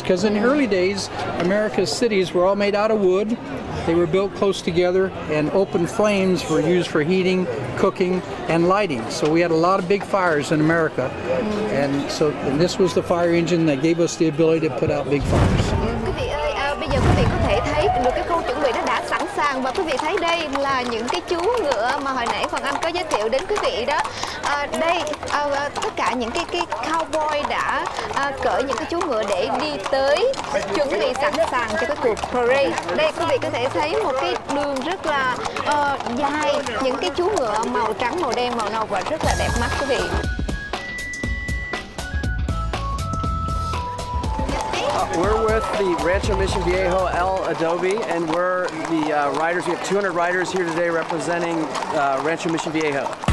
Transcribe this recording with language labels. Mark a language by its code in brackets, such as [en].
[en] Because in the early days, America's cities were all made out of wood. They were built close together, and open flames were used for heating, cooking, and lighting. So we had a lot of big fires in America. And this was the fire engine that gave us the ability to put out big fires. [vi] Và quý vị thấy đây là những cái chú ngựa mà hồi nãy Phần Anh có giới thiệu đến quý vị đó. Đây, tất cả những cái cowboy đã cởi những cái chú ngựa để đi tới chuẩn bị sẵn sàng cho cái cuộc parade. Đây, quý vị có thể thấy một cái đường rất là dài, những cái chú ngựa màu trắng, màu đen, màu nâu và rất là đẹp mắt quý vị. [en] We're with the Rancho Mission Viejo El Adobe, and we're the riders. We have 200 riders here today representing Rancho Mission Viejo.